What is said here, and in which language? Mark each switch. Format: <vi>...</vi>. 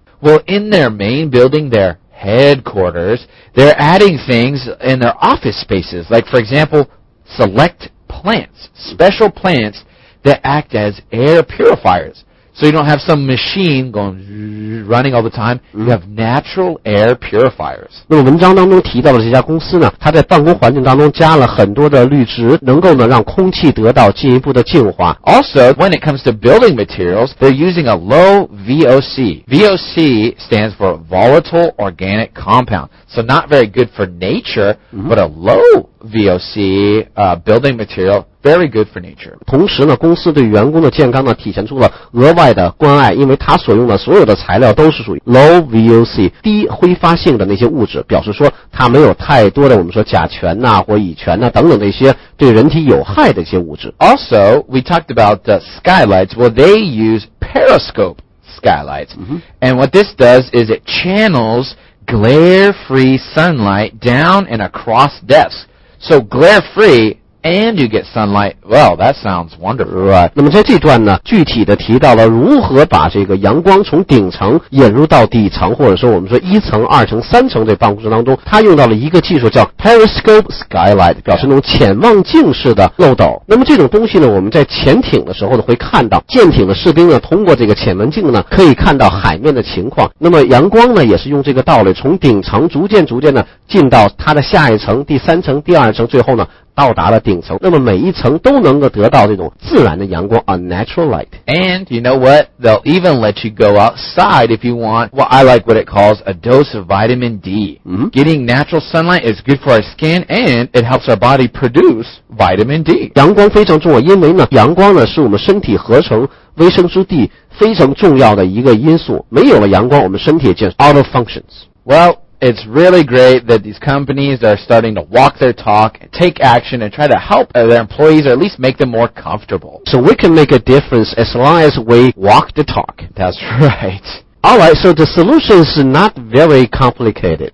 <en>Well, in their main building, their headquarters, they're adding things in their office spaces, like, for example, select plants, special plants that act as air purifiers. So you don't have some machine going running all the time. You have natural air purifiers.</en> <zh>那么文章当中提到的这家公司呢，它在办公环境当中加了很多的绿植，能够呢让空气得到进一步的净化。</zh> <en>Also, when it comes to building materials, they're using a low VOC. VOC stands for volatile organic compound. So not very good for nature, but a low VOC, building material. Very good for nature.</en> <zh>同时呢，公司对员工的健康呢，体现出了额外的关爱，因为他所用的所有的材料都是属于 low VOC 低挥发性的那些物质，表示说他没有太多的我们说甲醛呐、或乙醛呐等等那些对人体有害的一些物质。</zh> <en>Also, we talked about the skylights. Well, they use periscope skylights, and what this does is it channels glare-free sunlight down and across desks. So glare-free. And you get sunlight. Well, that sounds wonderful. Right.</en> <zh>那么在这段呢，具体的提到了如何把这个阳光从顶层引入到底层，或者说我们说一层、二层、三层这办公室当中，他用到了一个技术叫 periscope skylight， 表示那种潜望镜式的漏斗。那么这种东西呢，我们在潜艇的时候呢会看到，舰艇的士兵呢通过这个潜望镜呢可以看到海面的情况。那么阳光呢也是用这个道理，从顶层逐渐呢进到它的下一层、第三层、第二层，最后呢。到达了顶层，那么每一层都能够得到这种自然的阳光 ，</zh> <en>a natural light. And you know what? They'll even let you go outside if you want. Well, I like what it calls a dose of vitamin D. Mm-hmm. Getting natural sunlight is good for our skin, and it helps our body produce vitamin D.</en> <zh>阳光非常重要，因为呢，阳光呢是我们身体合成维生素 D 非常重要的一个因素。没有了阳光，我们身体就</zh> <en>out of functions. Well. It's really great that these companies are starting to walk their talk, take action, and try to help their employees or at least make them more comfortable. So we can make a difference as long as we walk the talk. That's right. All right, so the solution is not very complicated.</en>